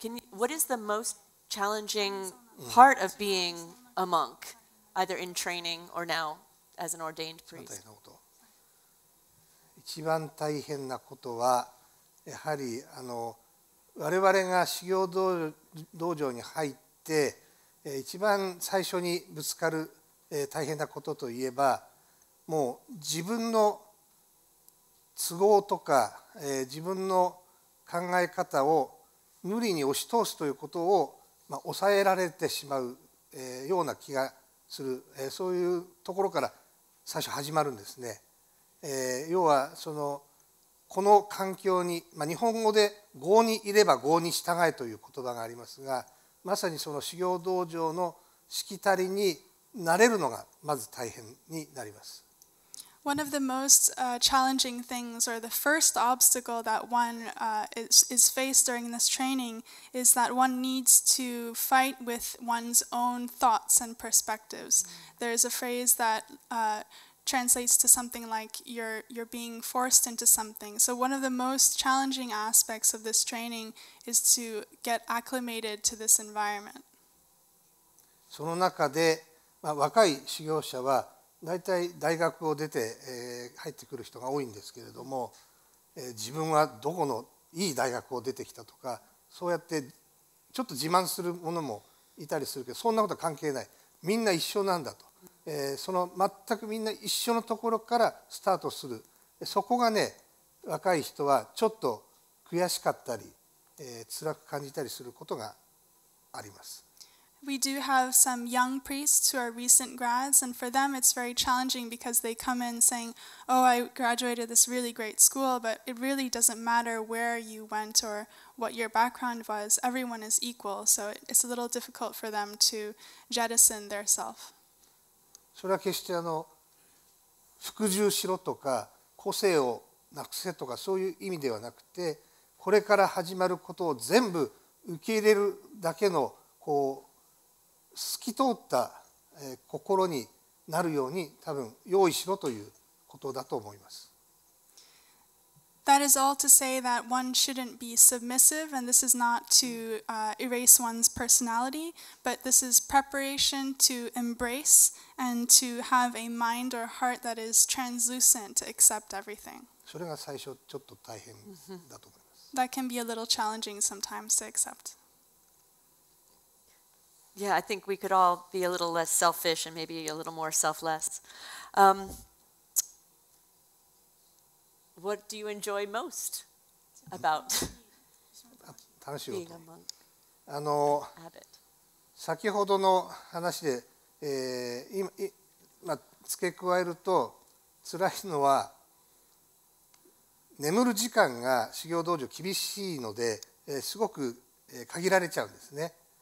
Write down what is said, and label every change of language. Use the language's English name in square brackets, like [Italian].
[English] What is the most challenging part of being a monk, either in training or now as an ordained priest? [Japanese] 一番大変なことはやはり我々が修行道場に入って一番最初にぶつかる大変なことといえばもう自分の都合とか自分の考え方を無理に押し通すということを、まあ、抑えられてしまうような気がするそういうところから最初始まるんですね。要はそのこの環境に、まあ、日本語で業にいれば業に従えという言葉がありますが、まさにその修行道場のしきたりに慣れるのがまず大変になります。 [English] One of the most challenging things or the first obstacle that one is faced during this training is that one needs to fight with one's own thoughts and perspectives. There is a phrase that translates to something like you're being forced into something. So one of the most challenging aspects of this training is to get acclimated to this environment. [Japanese] その中で、まあ、若い修行者は大体大学を出て、入ってくる人が多いんですけれども、自分はどこのいい大学を出てきたとかそうやってちょっと自慢するものもいたりするけどそんなことは関係ない。みんな一緒なんだと。その全くみんな一緒のところからスタートする。そこがね、若い人はちょっと悔しかったり、辛く感じたりすることがあります。 [English] We do have some young priests who are recent grads, and for them it's very challenging because they come in saying, oh, I graduated this really great school, but it really doesn't matter where you went or what your background was. Everyone is equal, so it's a little difficult for them to jettison their self. [Japanese] それは決して服従しろとか個性をなくせとかそういう意味ではなくて、これから始まることを全部受け入れるだけのこう透き通った心になるように多分用意しろということだと思います。 [English] That is all to say that one shouldn't be submissive, and this is not to erase one's personality, but this is preparation to embrace and to have a mind or heart that is translucent to accept everything. [Japanese] それが最初ちょっと大変だと思います。 [English] That can be a little challenging sometimes to accept. Yeah, I think we could all be a little less selfish and maybe a little more selfless. What do you enjoy most about being a monk? [Japanese] 先ほどの話で、今付け加えると辛いのは眠る時間が修行道場厳しいので、すごく限られちゃうんですね。